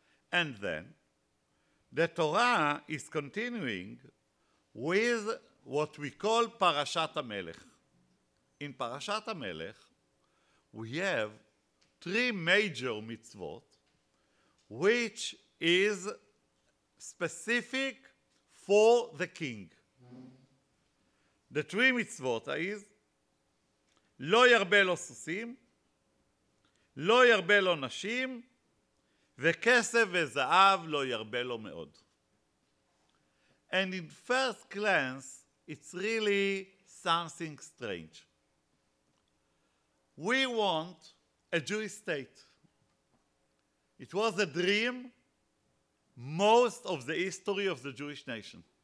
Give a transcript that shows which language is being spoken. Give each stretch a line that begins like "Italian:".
English: And then, the Torah is continuing with what we call Parashat HaMelech. In Parashat HaMelech, we have 3 major mitzvot, which is specific for the king. The 3 mitzvot is
Hebrew: לא ירבה לו סוסים, לא ירבה לו נשים, וכסף וזהב לא ירבה לו מאוד.
English: And in first glance, it's really something strange. We want a Jewish state. It was a dream most of the history of the Jewish nation.